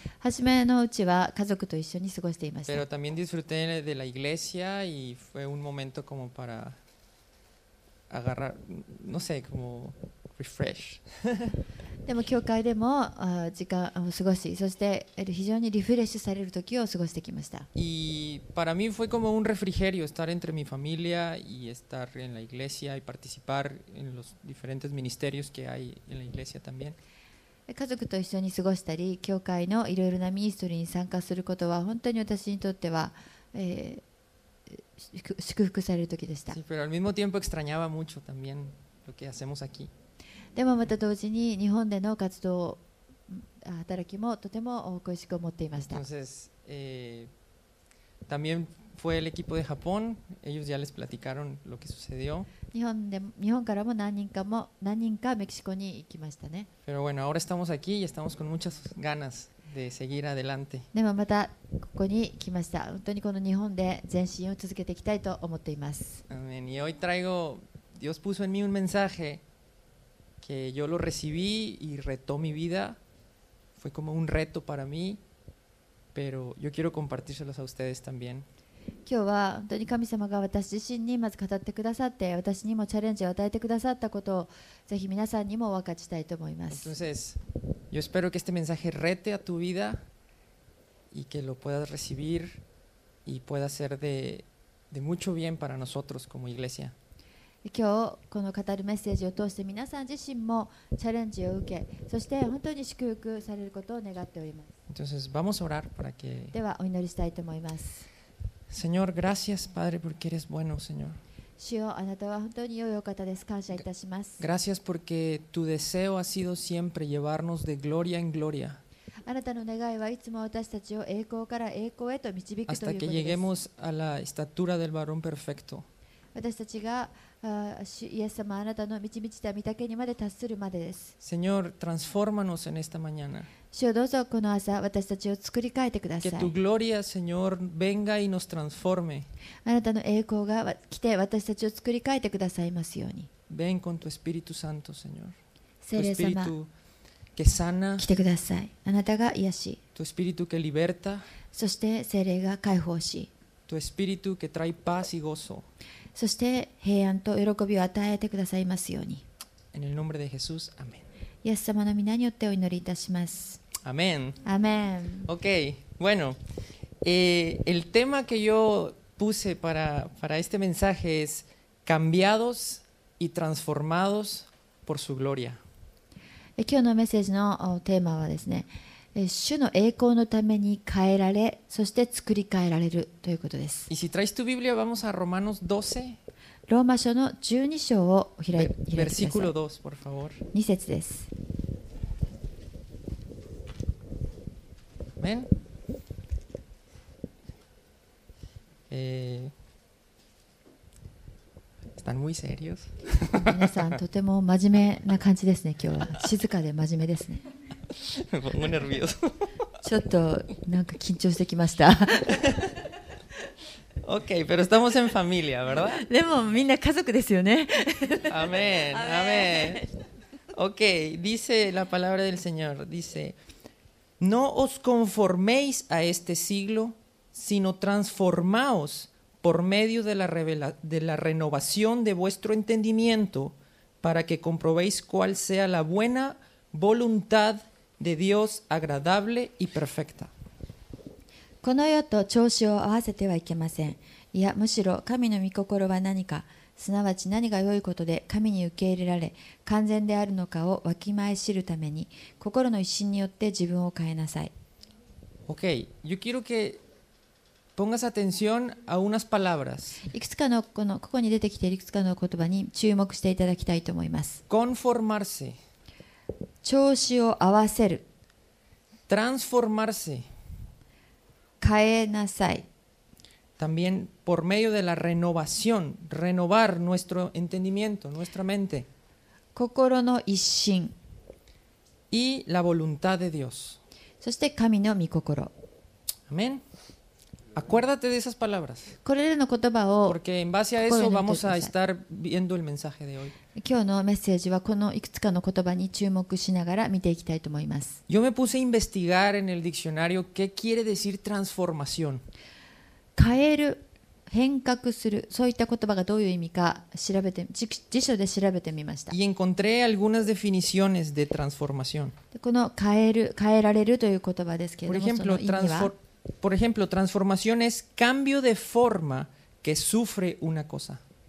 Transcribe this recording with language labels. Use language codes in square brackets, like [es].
[ja] 初めのうちは家族と一緒に過ごしていました。 [es] Pero también disfruté de la iglesia y fue un momento como para agarrar, no sé, como refresh. [ja] でも教会でも時間を過ごし、そして非常にリフレッシュされる時を過ごしてきました。 [es] Y para mí fue como un refrigerio estar entre mi familia y estar en la iglesia y participar en los diferentes ministerios que hay en la iglesia también. [ja] 家族と一緒に過ごしたり、教会のいろいろなミニストリーに参加することは本当に私にとっては、祝福される時でした。 [es] Sí, pero al mismo tiempo extrañaba mucho también lo que hacemos aquí. [ja] でもまた同時に日本での活動、働きもとても恋しく思っていました。 [es] Entonces, también fue el equipo de Japón. Ellos ya les platicaron lo que sucedió. [ja] 日本からも何人かメキシコに行きましたね。 [es] Pero bueno, ahora estamos aquí y estamos con muchas ganas de seguir adelante. [ja] でもまたここに来ました。本当にこの日本で前進を続けていきたいと思っています。 [es] Amen. Y hoy traigo, Dios puso en mí un mensaje que yo lo recibí y retó mi vida. Fue como un reto para mí, pero yo quiero compartírselos a ustedes también. [ja] 今日は本当に神様が私自身にまず語ってくださって、私にもチャレンジを与えてくださったことをぜひ皆さんにも分かちたいと思います。 [es] Entonces, yo espero que este mensaje rete a tu vida y que lo puedas recibir y pueda ser de mucho bien para nosotros como iglesia. [ja] 今日この語るメッセージを通して皆さん自身もチャレンジを受け、そして本当に祝福されることを願っております。 [es] Entonces, vamos a orar para que... [ja] ではお祈りしたいと思います。 [es] Señor, gracias, Padre, porque eres bueno, Señor. [ja] 主よ、あなたは本当に良いお方です。感謝いたします。 [es] Gracias porque tu deseo ha sido siempre llevarnos de gloria en gloria. [ja] あなたの願いはいつも私たちを栄光から栄光へと導くということです。 [es] Hasta que lleguemos a la estatura del varón perfecto. [ja] 私たちが、イエス様、あなたの満ち満ちた御丈にまで達するまでです。 [es] Señor, transfórmanos en esta mañana. [ja] 主よ、どうぞこの朝私たちを作り変えてください。 [es] Que tu gloria, Señor, venga y nos transforme. [ja] あなたの栄光が来て私たちを作り変えてくださいますように。 [es] Ven con tu Espíritu Santo, Señor. [ja] 聖霊様、 [es] Espíritu que sana, [ja] 来てください。あなたが癒し。 [es] Tu Espíritu que liberta, [ja] そして聖霊が解放し。 [es] Tu Espíritu que trae paz y gozo. [ja] そして平安と喜びを与えてくださいますように。 [es] En el nombre de Jesús, Amén. [ja] イエス様の御名によってお祈りいたします。アメン。アメン。 OK。 [es] Bueno、el tema que yo puse para este mensaje es cambiados y transformados por su gloria。 [ja] 今日のメッセージのテーマはですね、主の栄光のために変えられ、そして作り変えられるということです。 [es] Y si traes tu Biblia, vamos a Romanos 12. [ja] ローマ書の12章を開いてください。 [es] Versículo 2, por favor. [ja] 2節です。 [es] Amen. Están muy serios. [ja] 皆さん、とても真面目な感じですね、今日は。静かで真面目ですね。 [es] Me pongo nervioso. [ja] ちょっと、なんか緊張してきました。 [es] OK, pero estamos en familia, ¿verdad? [ja] でもみんな家族ですよね。 [es] Amén, amén. OK, dice la palabra del Señor, dice, No os conforméis a este siglo, sino transformaos por medio de la renovación de vuestro entendimiento para que comprobéis cuál sea la buena voluntad de Dios agradable y perfecta. [ja] この世と調子を合わせてはいけません。いや、むしろ神の御心は何か、すなわち何が良いことで神に受け入れられ、完全であるのかをわきまえ知るために、心の一心によって自分を変えなさい。 [es] OK、yo quiero que pongas atención a unas palabras。 [ja] いくつかの、ここに出てきているいくつかの言葉に注目していただきたいと思います。 [es] Conformarse。 [ja] 調子を合わせる。 [es] Transformarse。 [ja] 変えなさい。 [es] También por medio de la renovación, renovar nuestro entendimiento, nuestra mente. [ja] 心の一新。 [es] Y la voluntad de Dios. [ja] そして神の御心。 [es] Amén. Acuérdate de esas palabras. [ja] これらの言葉を。 [es] Porque en base a eso vamos a estar viendo el mensaje de hoy. [ja] 今日のメッセージはこのいくつかの言葉に注目しながら見ていきたいと思います。 [es] Yo me puse a investigar en el diccionario qué quiere decir transformación. [ja] 変える変革するそういった言葉がどういう意味か調べて辞書で調べてみました。 [es] Y encontré algunas definiciones de transformación. [ja] この変える変えられるという言葉ですけれども、 [es] ejemplo, [ja] その意味は [es] Por ejemplo, transformación es cambio de forma que sufre una cosa.